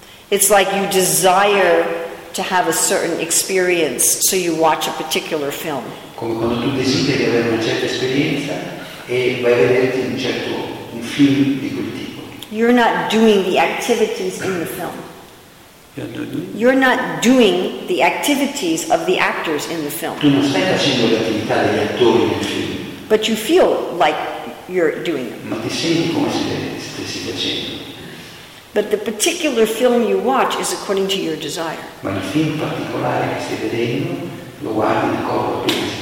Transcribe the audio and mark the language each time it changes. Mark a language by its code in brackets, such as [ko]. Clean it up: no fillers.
[en] It's like you desire to have a certain experience, so you watch a particular film. [it] Come quando tu desideri di avere una certa esperienza e vai a vederti un film di quel tipo. [en] You're not doing the activities in the film. You're not doing the activities of the actors in the film. [it] Tu non stai facendo le attività degli attori nel film. [en] But you feel like you're doing them. [it] Ma ti senti come se stessi facendo. [en] But the particular film you watch is according to your desire. [it] Ma il film particolare che stai vedendo lo guardi in corpo tu.